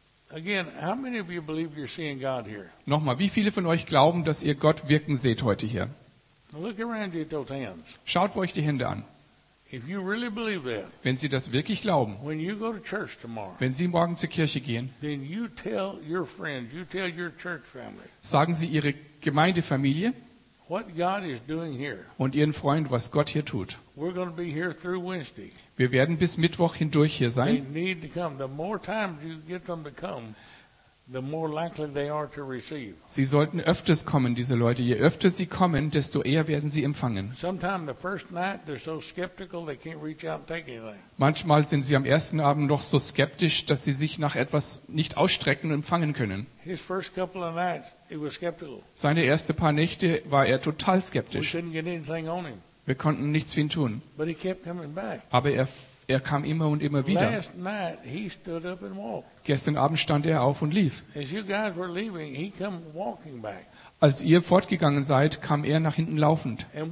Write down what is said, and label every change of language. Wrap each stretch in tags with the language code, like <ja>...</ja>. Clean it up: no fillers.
<en>again, how many of you believe you're seeing God here?</en> <de>Nochmal, wie viele von euch glauben, dass ihr Gott wirken seht heute hier?</de> <en>Look around you at those hands.</en> <de>Schaut euch die Hände an.</de> <en>If you really believe that,</en> <de>wenn Sie das wirklich glauben,</de> <en>when you go to church tomorrow,</en> <de>wenn Sie morgen zur Kirche gehen,</de> <en>then you tell your friend, you tell your church family,</en> <de>sagen Sie Ihre Gemeindefamilie</de> <en>what God is doing here,</en> <de>und Ihren Freund, was Gott hier tut.</de> <en>We're going to be here through Wednesday.</en> <de>Wir werden bis Mittwoch hindurch hier sein.</de> <en>They need to come. The more times you get them to come, the more likely they are to receive.</en> <de>Sie sollten öfters kommen, diese Leute. Je öfter sie kommen, desto eher werden sie empfangen.</de> <en>Sometimes the first night they're so skeptical they can't reach out and take anything.</en> <de>Manchmal sind sie am ersten Abend noch so skeptisch, dass sie sich nach etwas nicht ausstrecken und empfangen können.</de> <en>His first couple of nights he was skeptical.</en> <de>Seine erste paar Nächte war er total skeptisch.</de> <en>We couldn't get anything on him.</en> <de>Wir konnten nichts für ihn tun.</de> <en>But he kept coming back.</en> <de>Aber er kam immer und immer wieder.</de> <en>Last night he stood up and walked.</en> <de>Gestern Abend stand er auf und lief.</de> <en>As you guys were leaving, he came walking back.</en> <de>Als ihr fortgegangen seid, kam er nach hinten laufend.</de>